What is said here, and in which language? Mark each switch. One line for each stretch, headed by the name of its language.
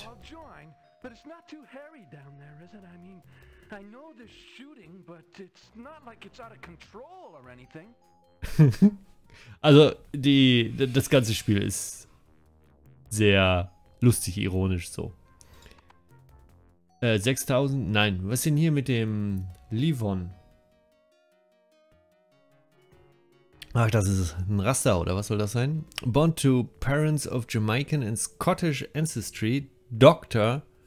English: I'll join, but it's not too hairy down there, is it? I mean, I know the shooting, but it's not like it's out of control or anything.
German: Also, das ganze Spiel ist sehr lustig, ironisch so. 6000? Nein. Was ist denn hier mit dem Livon? Ach, das ist ein Raster, oder was soll das sein?
English: Born to parents of Jamaican and Scottish ancestry, Doctor.